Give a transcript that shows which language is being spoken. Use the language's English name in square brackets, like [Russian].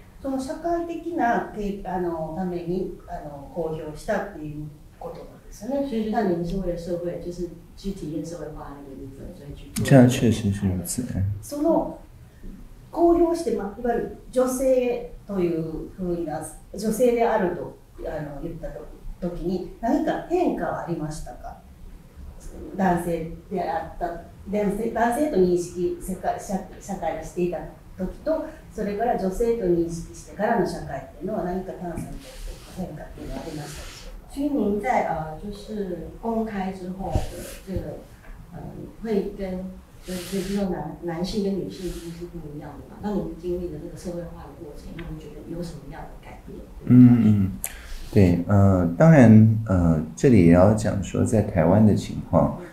[Japanese] その社会的なために公表したっていうことなんですね。 [Chinese] 就是您是为了社会，就是去体验社会化的一部分，所以去做。这样确实是如此。 [Japanese] その公表して、まあ、いわゆる女性というふうな女性であると言った時に何か変化はありましたか？男性であった男性と認識、社会をしていた時と、それから女性と認識してからの社会というのは何か炭酸と変化というのはありましたでしょうか？ [Chinese] 所以您在就是公开之后的这个会跟就是比如说男性跟女性其实是不一样的嘛？那您经历的这个社会化的过程，你觉得有什么样的改变？对，当然，这里也要讲说在台湾的情况。